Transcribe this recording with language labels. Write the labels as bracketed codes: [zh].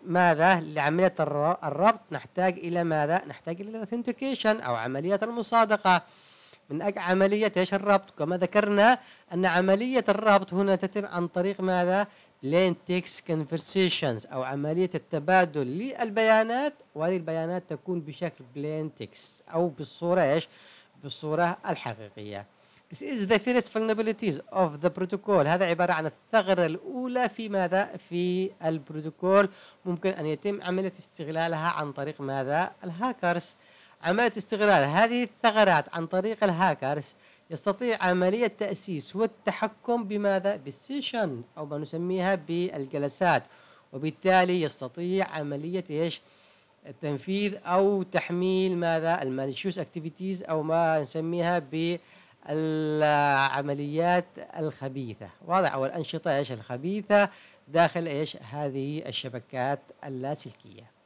[ar] ماذا لعملية الربط؟ نحتاج إلى ماذا؟ نحتاج إلى الاثنتيكيشن أو عملية المصادقة من أجل عملية الربط. كما ذكرنا أن عملية الربط هنا تتم عن طريق ماذا؟ بلين تكست كونفرسيشنز أو عملية التبادل للبيانات، وهذه البيانات تكون بشكل بلين تكست أو بالصورة بالصورة الحقيقية. [en] This is the first vulnerabilities of the protocol. [ar] هذا عبارة عن الثغرة الأولى في ماذا؟ في البروتوكول. ممكن أن يتم عملية استغلالها عن طريق ماذا؟ الهاكرز. عملية استغلال هذه الثغرات عن طريق الهاكرز يستطيع عملية تأسيس والتحكم بماذا؟ بالسيشن أو ما نسميها بالجلسات، وبالتالي يستطيع عملية تنفيذ أو تحميل ماذا؟ المالشوس أكتيفيتيز أو ما نسميها ب العمليات الخبيثة، واضح، أو الأنشطة الخبيثة داخل هذه الشبكات اللاسلكية.